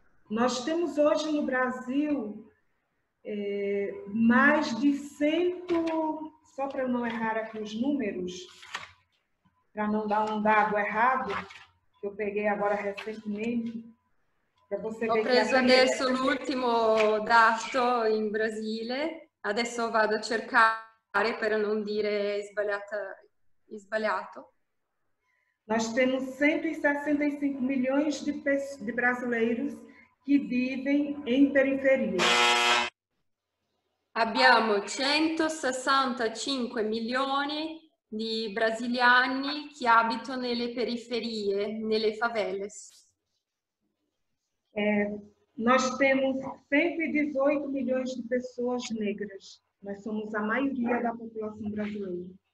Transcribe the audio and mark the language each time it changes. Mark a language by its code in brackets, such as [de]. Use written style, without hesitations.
[pt] Nós temos hoje no Brasil mais de 100, só para não errar aqui os números, para não dar um dado errado, que eu peguei agora recentemente, para você [it] Ho [pt] ver que [it] preso [pt] aqui. [it] adesso l'ultimo dato in Brasile, adesso vado a cercare per non dire sbagliato. [pt] Nós temos 165 milhões de brasileiros que vivem em periferia. [it] Abbiamo 165 milioni di brasiliani che abitano nelle periferie, nelle favelas. [pt] Nós temos 118 milhões de pessoas negras. Nós somos a maioria da população brasileira.